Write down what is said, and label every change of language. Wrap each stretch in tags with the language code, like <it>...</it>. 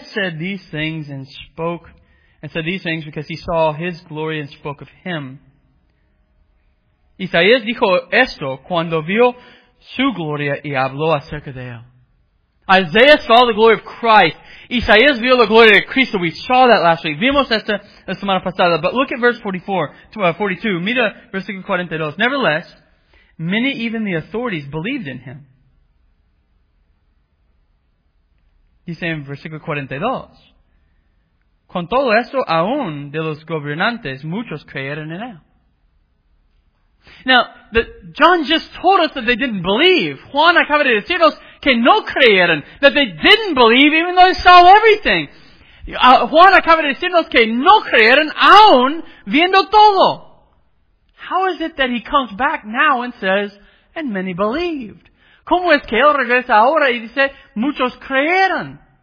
<en>Isaiah said these things and spoke and said these things because he saw his glory and spoke of him.</en> <es>Isaías dijo esto cuando vio su gloria y habló acerca de él.</es> <en>Isaiah saw the glory of Christ.</en> <es>Isaías vio la gloria de Cristo.</es> <en>We saw that last week.</en> <es>Vimos esta la semana pasada.</es> <en>But look at verse 42.</en> <es>Mira versículo 42.</es> <en>Nevertheless, many, even the authorities, believed in him.</en> <es>Dice en versículo 42. Con todo eso, aún de los gobernantes, muchos creyeron en él.</es> <en>Now, John just told us that they didn't believe.</en> <es>Juan acaba de decirnos que no creyeron.</es> <en>That they didn't believe even though they saw everything.</en> <es>Juan acaba de decirnos que no creyeron aún viendo todo.</es> <en>How is it that he comes back now and says, and many believed?</en> <es>¿Cómo es que él regresa ahora y dice, muchos creyeron?</es>